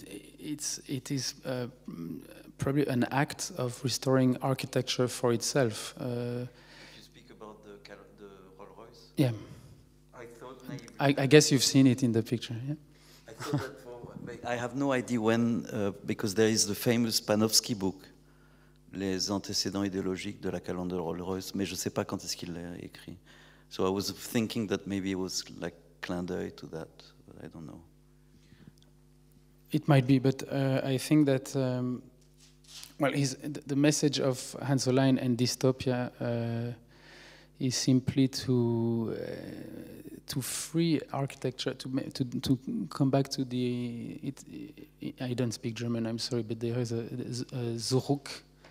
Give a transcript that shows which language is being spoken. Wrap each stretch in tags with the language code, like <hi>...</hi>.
<en>It is probably an act of restoring architecture for itself. Did you speak about the Rolls Royce? Yeah. I thought maybe. I guess you've seen it in the picture. Yeah. I have no idea when, because there is the famous Panofsky book, Les antécédents idéologiques de la calandre Rolls-Royce,</en> <fr>mais je ne sais pas quand est-ce qu'il l'a écrit.</fr> <en>So I was thinking that maybe it was like clin d'œil to that, but I don't know. It might be, but I think that, the message of Hans Olein and dystopia is simply to free architecture, to come back to the, I don't speak German, I'm sorry, but there is a Zurück.</en>